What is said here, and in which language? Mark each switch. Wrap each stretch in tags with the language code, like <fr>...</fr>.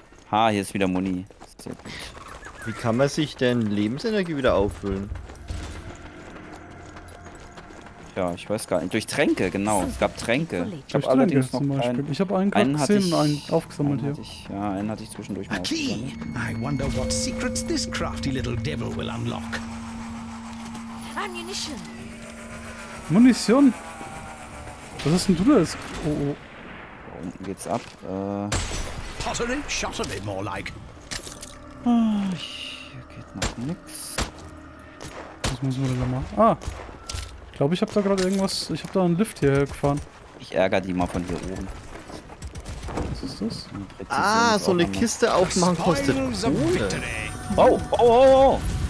<de>Ha, hier ist wieder Muni. Wie kann man sich denn Lebensenergie wieder auffüllen? Ja, ich weiß gar nicht. Durch Tränke, genau. Es gab Tränke. Ich habe allerdings noch zum Beispiel. Ich habe einen gesehen und einen aufgesammelt hier. Ja, einen hatte ich zwischendurch mal aufgesammelt.</de> <en>I wonder what secrets this crafty little devil will unlock.</en> <de>Ammunition. Munition? Was ist denn du da? Oh, oh. Da unten geht's ab.</de> <en>Pottery, shottery, more like.</en> <de>Hier geht noch nix. Was müssen wir denn da machen? Ah! Ich glaube, ich habe da gerade irgendwas. Ich habe da einen Lift hierher gefahren. Ich ärgere die mal von hier oben. Was ist das? Ah, so eine Kiste aufmachen kostet. Oh, oh, oh, oh!</de>